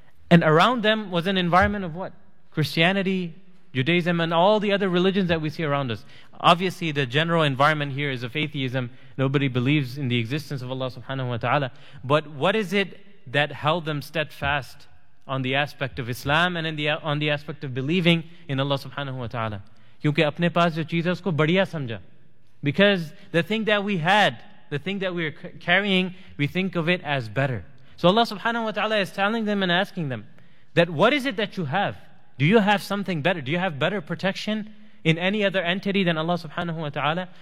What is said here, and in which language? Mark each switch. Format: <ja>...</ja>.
<en>And around them was an environment of what? Christianity, Judaism, and all the other religions that we see around us. Obviously, the general environment here is of atheism. Nobody believes in the existence of Allah subhanahu wa ta'ala. But what is it that held them steadfast on the aspect of Islam and on the aspect of believing in Allah subhanahu wa ta'ala?</en> <ur>کیونکہ اپنے پاس جو چیز ہے اسکو بڑھیا سمجھا.</ur> <en>Because the thing that we had, the thing that we are carrying, we think of it as better. So Allah subhanahu wa ta'ala is telling them and asking them, that what is it that you have? Do you have something better? Do you have better protection in any other entity than Allah subhanahu wa ta'ala?</en>